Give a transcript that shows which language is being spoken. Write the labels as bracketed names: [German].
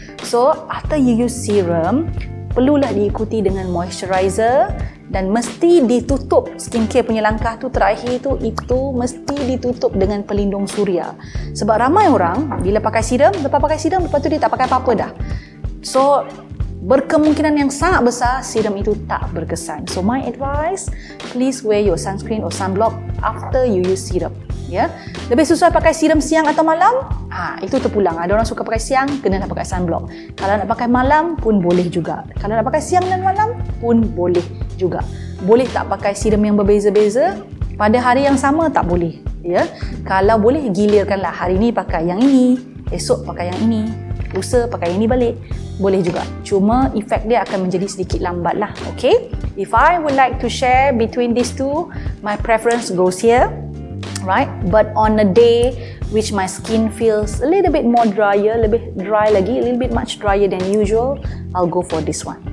[Malay] So, after you use serum, perlulah diikuti dengan moisturizer dan mesti ditutup skincare punya langkah tu terakhir tu, itu mesti ditutup dengan pelindung suria. Sebab ramai orang bila pakai serum, lepas pakai serum lepas tu dia tak pakai apa-apa dah. So berkemungkinan yang sangat besar serum itu tak berkesan. [English] So my advice, please wear your sunscreen or sunblock after you use serum. [Malay] Yeah. Lebih sesuai pakai serum siang atau malam? Itu terpulang. Ada orang suka pakai siang, kena nak pakai sunblock. Kalau nak pakai malam pun boleh juga. Kalau nak pakai siang dan malam pun boleh juga. Boleh tak pakai serum yang berbeza-beza? Pada hari yang sama tak boleh. Yeah. Kalau boleh, gilirkanlah. Hari ini pakai yang ini, esok pakai yang ini, lusa pakai yang ini balik. Boleh juga. Cuma efek dia akan menjadi sedikit lambat lah. Okay? [English] If I would like to share between these two, my preference goes here. Right, but on a day which my skin feels a little bit more drier, lebih dry lagi, a little bit much drier than usual, I'll go for this one.